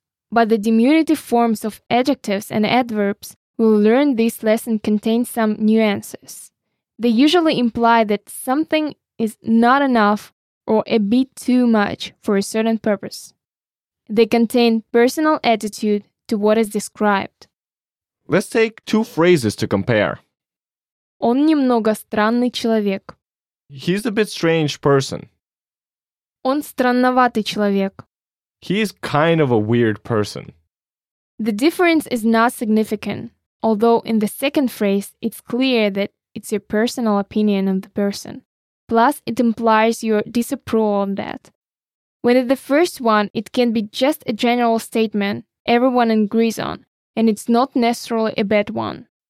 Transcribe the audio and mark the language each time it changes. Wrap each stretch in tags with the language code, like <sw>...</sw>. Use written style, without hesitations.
<en>But the diminutive forms of adjectives and adverbs we'll learn this lesson contain some nuances. They usually imply that something is not enough or a bit too much for a certain purpose. They contain personal attitude to what is described. Let's take two phrases to compare.</en> <ru>Он немного странный человек.</ru> <en>He's a bit strange person.</en> <ru>Он странноватый человек.</ru> <en>He is kind of a weird person. The difference is not significant, although in the second phrase, it's clear that it's your personal opinion of the person. Plus, it implies your disapproval on that. When in the first one, it can be just a general statement everyone agrees on, and it's not necessarily a bad one.</en>